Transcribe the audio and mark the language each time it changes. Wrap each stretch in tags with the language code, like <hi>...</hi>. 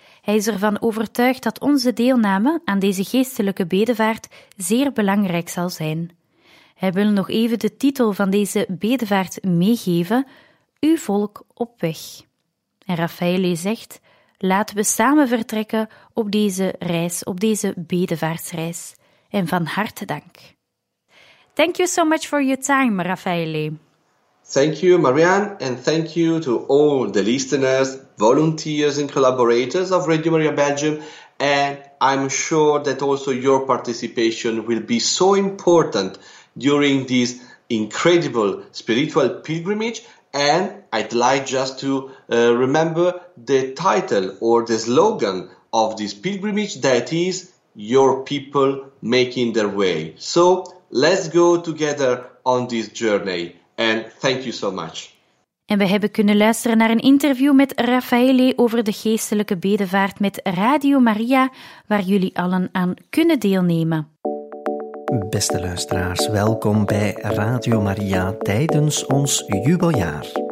<nl>Hij is ervan overtuigd dat onze deelname aan deze geestelijke bedevaart zeer belangrijk zal zijn. Hij wil nog even de titel van deze bedevaart meegeven: Uw volk op weg. En Raffaele zegt: laten we samen vertrekken op deze reis, op deze bedevaartsreis. En van harte dank.</nl> <en>Thank you so much for your time, Raffaele. Thank you, Marianne, and thank you to all the listeners, volunteers and collaborators of Radio Maria Belgium, and I'm sure that also your participation will be so important during this incredible spiritual pilgrimage. And I'd like just to remember the title or the slogan of this pilgrimage, that is Your People Making Their Way. So let's go together on this journey. And thank you so much.</en> <nl>En we hebben kunnen luisteren naar een interview met Raffaele over de geestelijke bedevaart met Radio Maria, waar jullie allen aan kunnen deelnemen. Beste luisteraars, welkom bij Radio Maria tijdens ons jubeljaar.</nl>